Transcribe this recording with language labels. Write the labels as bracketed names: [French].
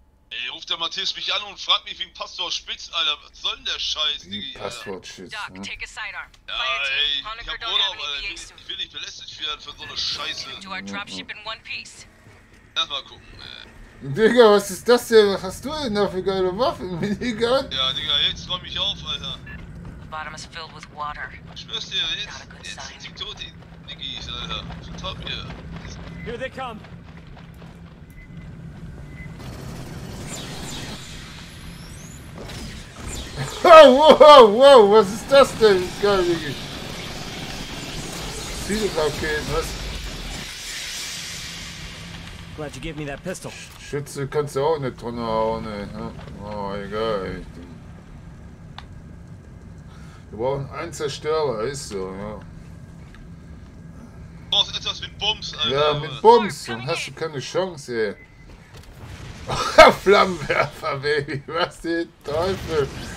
[German] Ey, ruft der Matthias mich an und fragt mich wie ein Passwort-Spitz, Alter. Was soll denn der Scheiß, Digga? Passwort-Spitz. Ja, ey, ich hab Urlaub, Alter. Ich will nicht belästigt werden für so eine Scheiße. Erstmal gucken, ey. Digga, was ist das denn? Was hast du denn da für geile Waffen, Minigun? Ja, Digga, jetzt räum ich auf, Alter. [English] The bottom is filled with water. [German] Schwör's dir, jetzt sind tot, die Niggis, Alter. Zu top hier. [English] Here they come. [German] Wow, was ist das denn? Geil, Niggi. Ziele-Raketen, was? [English] Glad you gave me that pistol. [German] Schütze kannst du auch in die Tonne hauen, ey. Oh, egal. Wir brauchen einen Zerstörer, ist so, ja. Du brauchst etwas mit Bums, Alter. Ja, mit Bums, dann hast du keine Chance, ey. Flammenwerfer, Baby, was den Teufel?